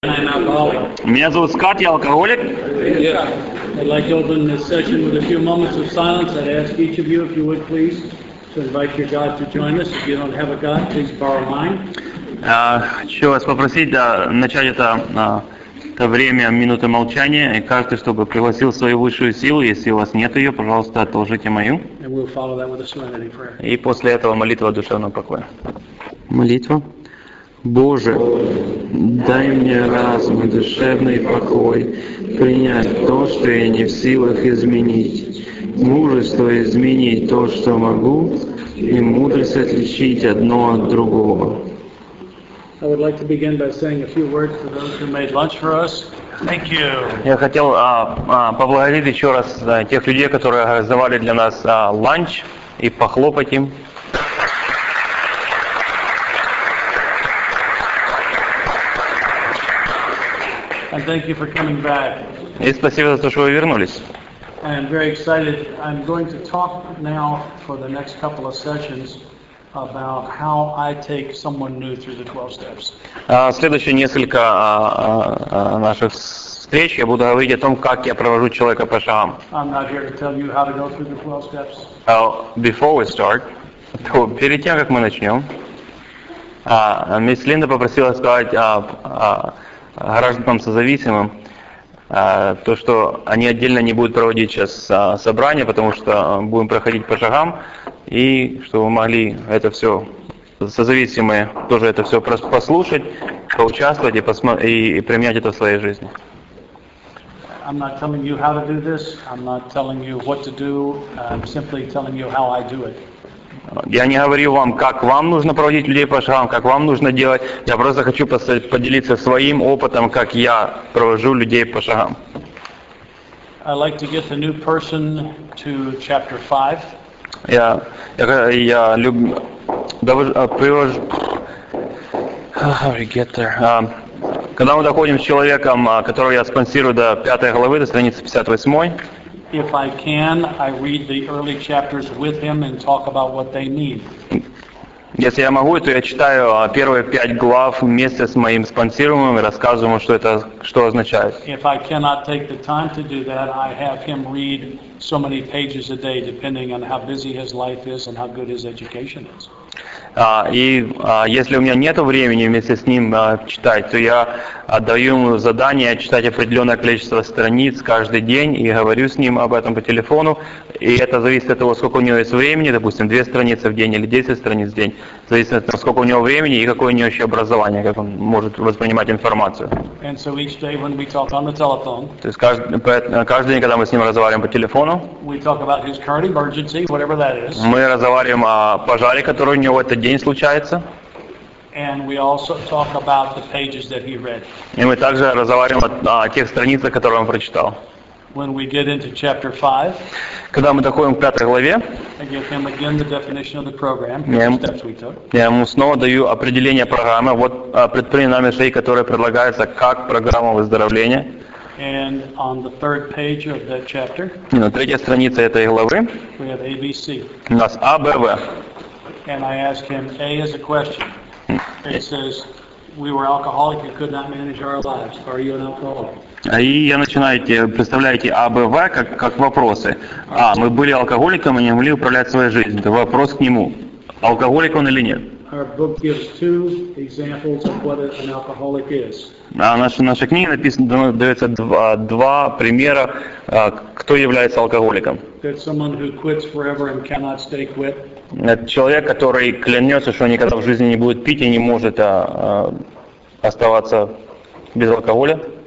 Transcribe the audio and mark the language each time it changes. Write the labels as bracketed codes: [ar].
[ru] Меня зовут Скотт, я алкоголик. [en] I'd like to open this session with a few moments of silence. I'd ask each of you, if you would please, to invite your God to join us. If you don't have a God, please borrow mine. [ru] Хочу вас попросить начать это время минуты молчания, и каждый, чтобы пригласил свою высшую силу, если у вас нет ее, пожалуйста, отложите мою. [en] And we'll follow that with a serenity prayer. [ru] И после этого молитва душевного покоя. Молитва. Боже, дай мне разум и душевный покой принять то, что я не в силах изменить, мужество изменить то, что могу, и мудрость отличить одно от другого. [en] I would like to begin by saying a few words to those who made lunch for us. Thank you. [ru] Я хотел поблагодарить еще раз тех людей, которые организовали для нас ланч, и похлопать им. [en] And thank you for coming back. [ru] И спасибо за то, что вы вернулись. [en] I'm very excited. I'm going to talk now for the next couple of sessions about how I take someone new through the 12 steps. [ru] Следующие несколько наших встреч я буду говорить о том, как я провожу человека по шагам. [en] I'm not here to tell you how to go through the 12 steps. Before we start, [ru] перед тем, как мы начнем, мисс Линда попросила сказать гражданам созависимым то, что они отдельно не будут проводить сейчас собрание, потому что будем проходить по шагам, и чтобы могли это все созависимые тоже это все послушать, поучаствовать и применять это в своей жизни. [en] I'm not telling you how to do this. I'm not telling you what to do. I'm simply telling you how I do it. [ru] Я не говорю вам, как вам нужно проводить людей по шагам, как вам нужно делать. Я просто хочу поделиться своим опытом, как я провожу людей по шагам. [en] I'd like to get the new person to chapter 5. [ru] Когда мы доходим с человеком, которого я спонсирую, до 5 главы, до страницы 58. [en] If I can, I read the early chapters with him and talk about what they need. [ru] Если я могу, то я читаю первые 5 глав вместе с моим спонсируемым и рассказываю ему, что означает. [en] If I cannot take the time to do that, I have him read so many pages a day, depending on how busy his life is and how good his education is. [ru] Если у меня нет времени вместе с ним читать, то я отдаю ему задание читать определенное количество страниц каждый день и говорю с ним об этом по телефону. И это зависит от того, сколько у него есть времени, допустим, 2 страницы в день или 10 страниц в день. Зависит от того, сколько у него времени и какое у него еще образование, как он может воспринимать информацию. [en] And so each day when we talk on the telephone, [ru] то есть каждый день, когда мы с ним разговариваем по телефону, [en] we talk about his current emergency, whatever that is. [ru] Мы разговариваем о пожаре, который у него этот день случается. [en] And we also talk about the pages that he read. [ru] И мы также разговариваем о тех страницах, которые он прочитал. [en] When we get into chapter 5, [ru] когда мы доходим к пятой главе, [en] I give him again the definition of the program, the steps we took. [ru] Я ему снова даю определение программы, вот предприняли нами шаги, которые предлагаются как программа выздоровления. [en] And on the third page of that chapter, [ru] и на третьей странице этой главы, [en] we have ABC. [ru] У нас А, Б, В. [en] And I ask him, A is a question. It says, we were alcoholic and could not manage our lives. Are you an alcoholic? [ru] И я начинаю, представляете, А, Б, В как вопросы. А, мы были алкоголиком и не могли управлять своей жизнью. Это вопрос к нему. Алкоголик он или нет? [en] Our book gives two examples of what an alcoholic is. [ru] А наша книга дается два примера, кто является алкоголиком. [en] That's someone who quits forever and cannot stay quit. [ru] Это человек, который клянется, что никогда в жизни не будет пить и не может оставаться без алкоголя.